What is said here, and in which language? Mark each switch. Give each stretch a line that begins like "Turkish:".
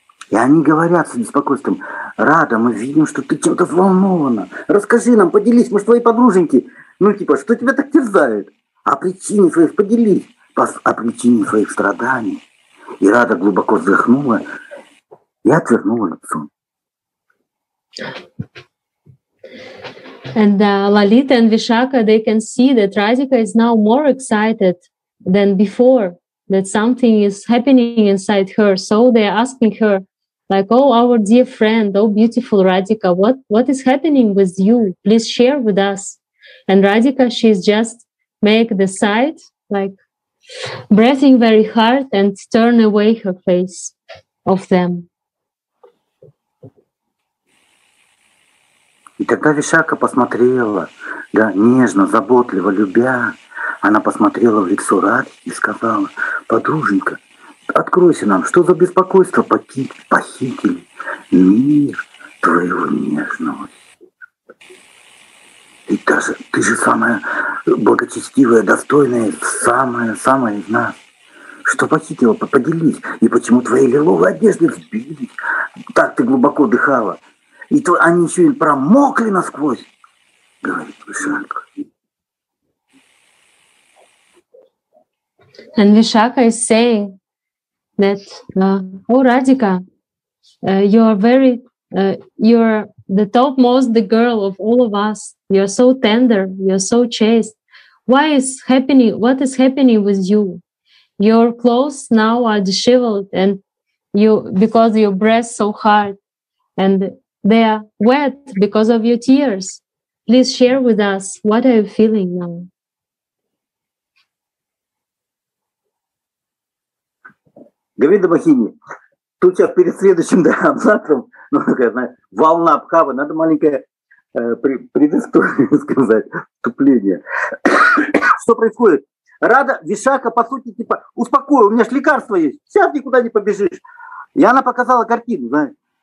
Russian: И они говорят с беспокойством, Рада, мы видим, что ты чем-то взволнована. Расскажи нам, поделись, мы же твои подруженьки. Ну типа, что тебя так терзает? О причине своих страданий. И Рада глубоко вздохнула и отвернула лицо.
English: And Lalita and Vishakha, they can see that Radhika is now more excited than before, that something is happening inside her. So they are asking her, like, oh, our dear friend, oh, beautiful Radhika, what is happening with you? Please share with us. And Radhika, she's just make the sight, like, breathing very hard and turn away her face of them.
Russian: И тогда Вишакха посмотрела, да, нежно, заботливо, любя. Она посмотрела в лицо Радхи и сказала, подруженька, откройся нам, что за беспокойство похитили мир твоего нежного сердца. И даже ты же самая благочестивая, достойная, самая из нас. Что похитила, поделись. И почему твои лиловые одежды сбились? Так ты глубоко дыхала. И они еще и промокли насквозь, говорит Вишакха.
English: And Vishakha is saying that, Radhika, you are very, you're the topmost the girl of all of us. You're so tender, you're so chaste. What is happening with you? Your clothes now are disheveled, and you because you breathe so hard, and they are wet because of your tears. Please share with us what are you feeling now.
Russian: Говинда Махини, тут сейчас перед следующим абзацем, ну, волна обхава, надо маленькое предыстория сказать, вступление. Что происходит? Рада, Вишака, по сути, типа, успокой, у меня же лекарство есть, сейчас никуда не побежишь. И она показала картину, знаешь.